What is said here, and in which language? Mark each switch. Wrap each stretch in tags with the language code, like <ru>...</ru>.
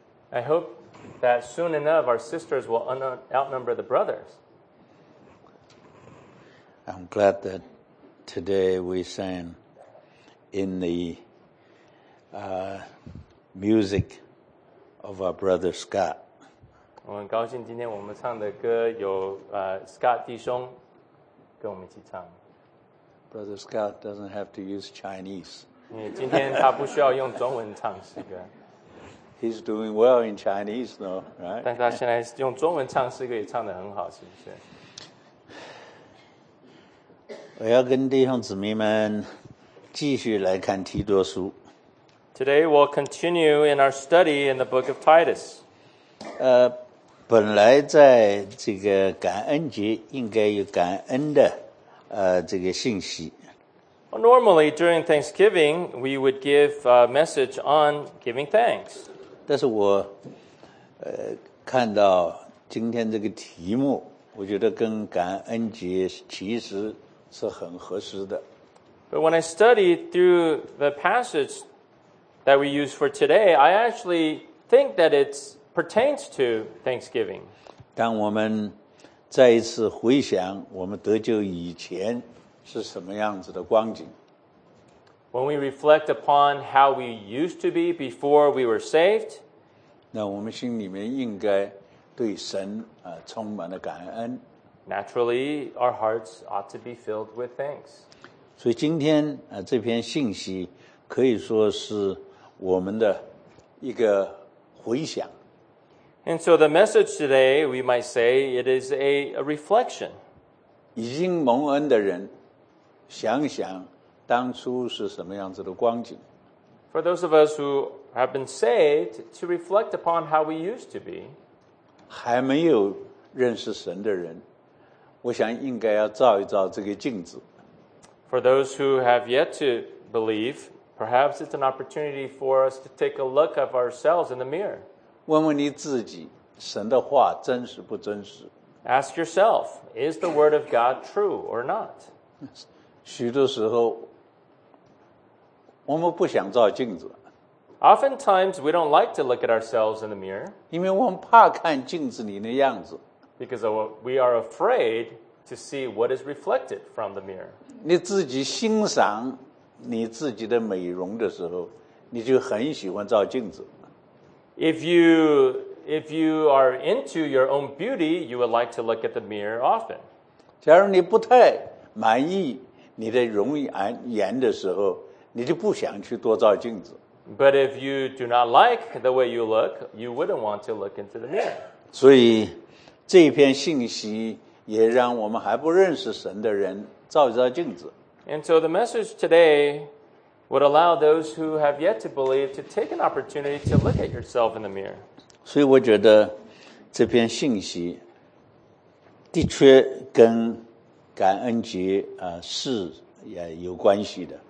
<en>I hope that soon enough our sisters will outnumber the brothers. I'm glad that today we sang in the music of our brother Scott.</en> <zh>我很高兴今天我们唱的歌有Scott 弟兄跟我们一起唱。</zh> <en>Brother Scott doesn't have to use Chinese.</en> <zh>因为今天他不需要用中文唱诗歌。</zh> <en>He's doing well in Chinese, though, right?</en> <zh>但他现在用中文唱诗歌也唱得很好，是不是？我要跟弟兄姊妹们继续来看提多书。</zh> <en>Today we'll continue in our study in the book of Titus.</en> <zh>本来在这个感恩节应该有感恩的这个信息。</zh> <en>Well, normally during Thanksgiving, we would give a message on giving thanks.</en> <zh>但是我看到今天这个题目，我觉得跟感恩节其实是很合适的。</zh> <en>But when I studied through the passage that we use for today, I actually think that it pertains to Thanksgiving.</en> <zh>当我们再一次回想我们得救以前是什么样子的光景。</zh> <en>When we reflect upon how we used to be before we were saved,</en> <zh>那我们心里面应该对神充满了感恩。</zh> <en>Naturally, our hearts ought to be filled with thanks.</en> <zh>所以今天这篇信息可以说是我们的一个回想。</zh> <en>And so the message today, we might say, it is a reflection.</en> <zh>已经蒙恩的人想想当初是什么样子的光景。</zh> <en>For those of us who have been saved, to reflect upon how we used to be.</en> <zh>还没有认识神的人，我想应该要照一照这个镜子。</zh> <en>For those who have yet to believe, perhaps it's an opportunity for us to take a look of ourselves in the mirror.</en> <zh>问问你自己，神的话真实不真实？</zh> <en>Ask yourself, is the word of God true or not?</en> <zh>许多时候，我们不想照镜子。</zh> <en>Oftentimes, we don't like to look at ourselves in the mirror.</en> <zh>因为我们怕看镜子里的样子。</zh> <en>Because we are afraid to see what is reflected from the mirror.</en> <zh>你自己欣赏你自己的美容的时候，你就很喜欢照镜子。</zh> <en>If you are into your own beauty, you would like to look at the mirror often.</en> <zh>假如你不太满意你的容颜的时候，你就不想去多照镜子。</zh> <en>But if you do not like the way you look, you wouldn't want to look into the mirror.</en> <zh>所以这篇信息也让我们还不认识神的人照一照镜子。</zh> <en>And so the message today would allow those who have yet to believe to take an opportunity to look at yourself in the mirror.</en> <zh>所以我觉得这篇信息的确跟感恩节是也有关系的。</zh>